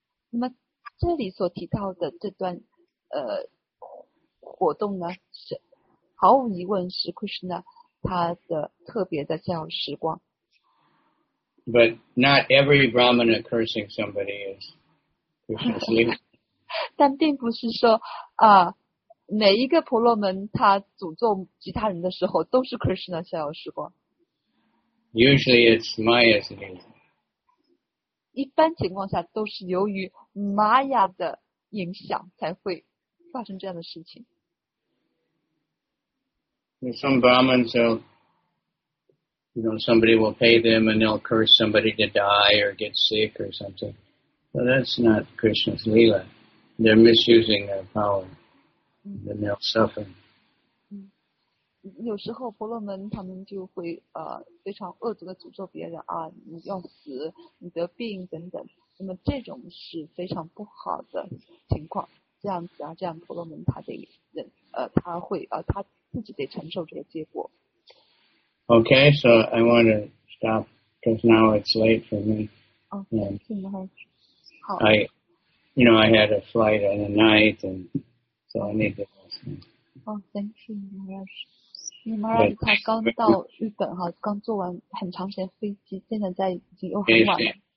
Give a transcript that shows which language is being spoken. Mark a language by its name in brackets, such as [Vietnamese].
[Chinese] 那么这里所提到的这段活动呢，是毫无疑问是 Krishna 他的特别的逍遥时光。 [English] But not every Brahmana cursing somebody is Krishna's Leela. [Chinese] 但并不是说每一个婆罗门他诅咒其他人的时候都是 Krishna 逍遥时光。 [English] Usually it's Maya's Leela. [Chinese] 一般情况下都是由于 Maya 的影响才会发生这样的事情。 [English] Some Brahmins somebody will pay them and they'll curse somebody to die or get sick or something. But that's not Krishna's Leela. They're misusing their power. Then they'll suffer. [Chinese] 有时候婆罗门他们就会非常恶毒的诅咒别人啊，你要死，你得病等等，那么这种是非常不好的情况，这样子啊，这样婆罗门他得忍他会他自己得承受这个结果。 [English] Okay, so I want to stop because now it's late for me. I had a flight on the night and so I need to go. Thank you, Maharaj. [Chinese] 你妈妈她刚到日本哈，刚坐完很长时间飞机，现在在已经又很晚了。